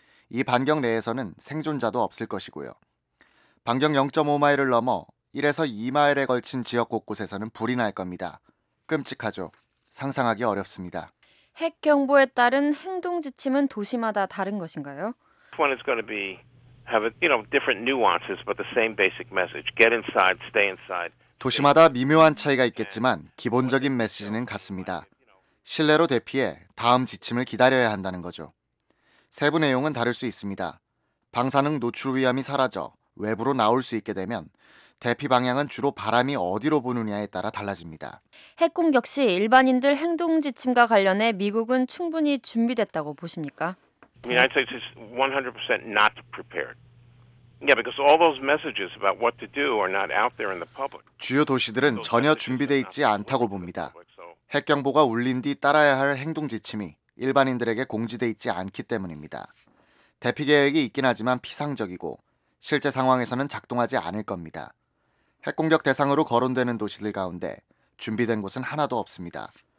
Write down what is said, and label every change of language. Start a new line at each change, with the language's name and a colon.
Korean: 이 반경 내에서는 생존자도 없을 것이고요. 반경 0.5마일을 넘어 1에서 2마일에 걸친 지역 곳곳에서는 불이 날 겁니다. 끔찍하죠. 상상하기 어렵습니다. 핵 경보에 따른 행동 지침은 도시마다 다른 것인가요?
English: One is going to be have you know different nuances but the same basic message. Get inside, stay inside.
Korean: 도시마다 미묘한 차이가 있겠지만 기본적인 메시지는 같습니다. 실내로 대피해 다음 지침을 기다려야 한다는 거죠. 세부 내용은 다를 수 있습니다. 방사능 노출 위험이 사라져 외부로 나올 수 있게 되면 대피 방향은 주로 바람이 어디로 부느냐에 따라 달라집니다. 핵 공격 시 일반인들 행동 지침과 관련해 미국은 충분히 준비됐다고 보십니까?
English: I mean, I'd say it's 100% not prepared. Yeah, because all those messages about what to do are not out there in the public.
Korean: 주요 도시들은 전혀 준비되어 있지 않다고 봅니다. 핵 경보가 울린 뒤 따라야 할 행동 지침이 일반인들에게 공지되어 있지 않기 때문입니다. 대피 계획이 있긴 하지만 피상적이고 실제 상황에서는 작동하지 않을 겁니다. 핵 공격 대상으로 거론되는 도시들 가운데 준비된 곳은 하나도 없습니다.